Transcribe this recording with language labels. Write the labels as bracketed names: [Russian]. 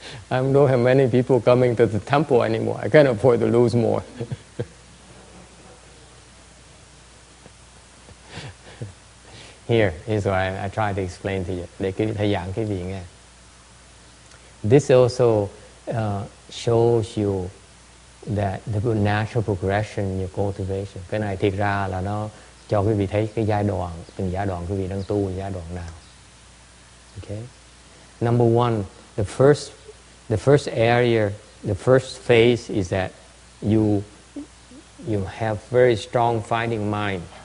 [English] I don't have many people coming to the temple anymore. I can't afford to lose more. Here's what I try to explain to you. [Vietnamese] Để thầy giảng cái gì nghe. [English] This also shows you that the natural progression in your cultivation. [Vietnamese] Cái này thiệt ra là nó cho quý vị thấy cái giai đoạn, từng giai đoạn quý vị đang tu giai đoạn nào. [English] Okay. Number one, the first area, the first phase is that you have very strong fighting mind.